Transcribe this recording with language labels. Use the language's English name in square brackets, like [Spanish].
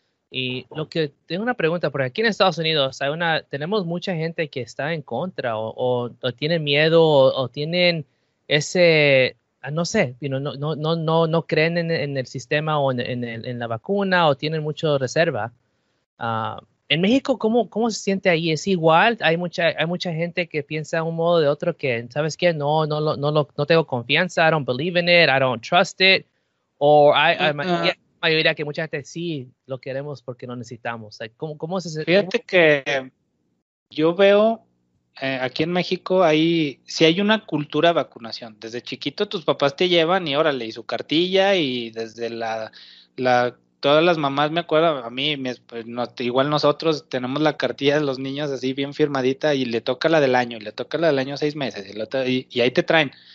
[Spanish] Y lo que tengo una pregunta, porque aquí en Estados Unidos tenemos mucha gente que está en contra o tienen miedo o tienen ese, no sé, no creen en el sistema o en la vacuna o tienen mucha reserva. En México, ¿cómo se siente ahí? ¿Es igual? Hay mucha gente que piensa de un modo o de otro que, ¿sabes qué? No tengo confianza, [English] I don't believe in it, I don't trust it. [Spanish] O hay mayoría que mucha gente sí lo queremos porque lo necesitamos. Like, ¿Cómo se siente? Fíjate que yo veo aquí en México, hay una cultura de vacunación. Desde chiquito tus papás te llevan y órale, y su cartilla y desde la todas las mamás, me acuerdo, a mí, igual nosotros tenemos la cartilla de los niños así bien firmadita y le toca la del año, y le toca la del año 6 meses y ahí te traen.